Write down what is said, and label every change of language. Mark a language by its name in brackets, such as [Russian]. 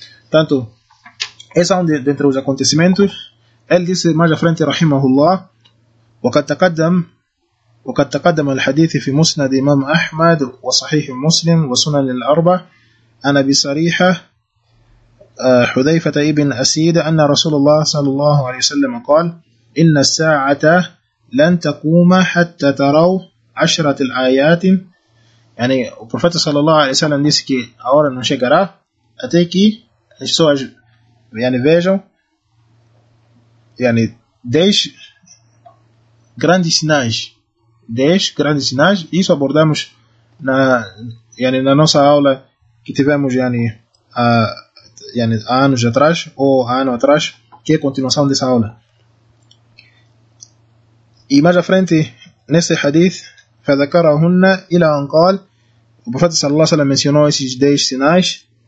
[Portuguese] Portanto, esse é um dentre os acontecimentos. Ele disse mais à frente, [Arabic] rahimahullah, وقد تقدم الحديث في مسند إمام أحمد وصحيح مسلم وسنن الأربع عن أبي صريحة حذيفة ابن أسيد أن رسول الله صلى الله عليه وسلم قال إن الساعة لن تقوم حتى تروا عشرة الآيات يعني البروفيت صلى الله عليه وسلم [Portuguese] disse que a hora não chegará até que as pessoas yani, vejam yani, 10 grandes sinais. 10 grandes sinais, isso abordamos na, yani, na nossa aula que tivemos yani, há anos atrás, ou há ano atrás, que é a continuação dessa aula. E mais à frente, nesse hadith, [Arabic] فَذَكَرَهُنَّ إِلَىٰ أَنْقَالَ, [Portuguese] o profeta sallallahu alaihi wa sallam mencionou esses 10 sinais.